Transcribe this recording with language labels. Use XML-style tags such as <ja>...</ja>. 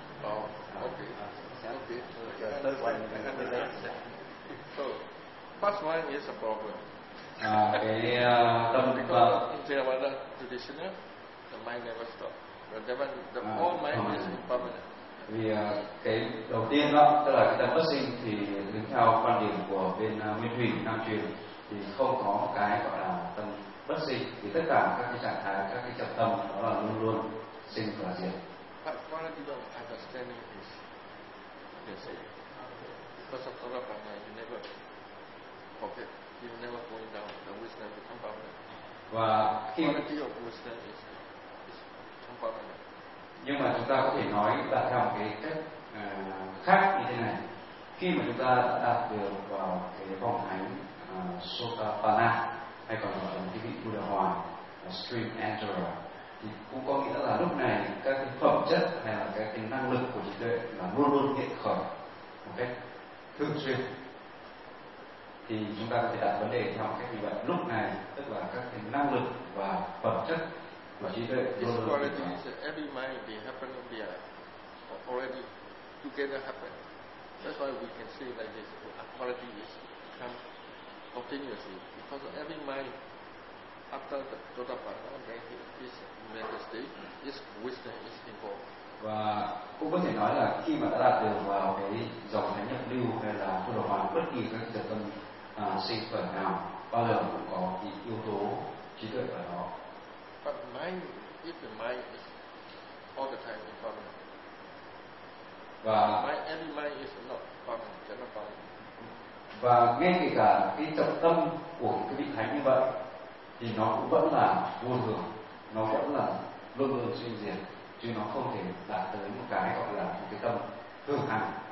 <en>Oh, okay. First one is a problem. Because in the traditional, the mind never stop. But that one, the whole mind is permanent.</en> <vi>Vì cái đầu tiên đó, tức là cái tâm bất sinh thì đứng theo quan điểm của bên Nguyên Thủy Nam Truyền thì không có cái gọi là tâm bất sinh, thì tất cả các cái trạng thái, các cái trọng tâm đó là luôn luôn sinh và diệt.</vi> <en>But quality of understanding is the same. First of all, you never forget, you never going down, the wisdom is impermanent.</en> <vi>Và</vi> <en>quality of wisdom is impermanent.</en> <vi>Nhưng mà chúng ta có thể nói là theo một cái cách khác như thế này. Khi mà chúng ta đạt được vào cái vòng thánh Sotapanna, hay còn gọi là cái vị Buddha Hoàng, Stream Enterer, thì cũng có nghĩa là lúc này các cái phẩm chất hay là cái năng lực của trí tuệ là luôn luôn hiện khởi một cách thường xuyên. Thì chúng ta có thể đặt vấn đề theo một cách như vậy. Lúc này, tức là các cái năng lực và phẩm chất</vi> <en>this quality is every mind be happening be alive, already together happen. That's why we can say like this, quality is come continuously. Because every mind after the total power of this mental state, this wisdom is involved.</en> <vi>Và cũng có thể nói là khi mà đã đạt được vào cái dòng thánh nhập lưu hay là tu đạo hoàn, bất kỳ các trường tâm sinh phần nào bao giờ cũng có cái yếu tố trí tuệ ở đó.</vi> <en>But mind, if the mind is all the time impermanent, every mind is not permanent, cannot permanent.</en> <vi>Và ngay kể cả cái trọng tâm của cái vị thánh như vậy, thì nó cũng vẫn là vô thường, nó vẫn là luôn luôn sinh diệt, chứ nó không thể đạt tới một cái gọi là một cái tâm thường hằng.</vi>